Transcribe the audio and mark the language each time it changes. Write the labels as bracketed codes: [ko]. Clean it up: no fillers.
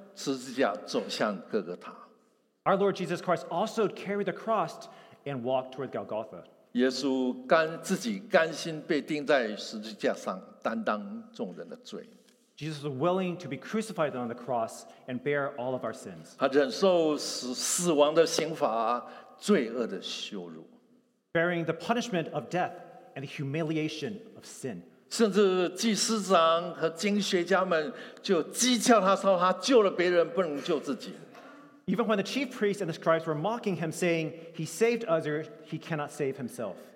[zh] 他也是自己背上十字架，十字架走向各个塔。 [en] Our Lord Jesus Christ also carried the cross and walked toward Golgotha. [zh] 耶稣甘自己甘心被钉在十字架上，担当众人的罪。 [en] Jesus was willing to be crucified on the cross and bear all of our sins. [zh] 他忍受死亡的刑罚，罪恶的羞辱。 [en] Bearing the punishment of death. And the humiliation of sin. [zh] 甚至祭司长和经学家们就讥诮他，说他救了别人，不能救自己。 [en] Even when the chief priests and the scribes were mocking him, saying, "He saved others; he cannot save himself."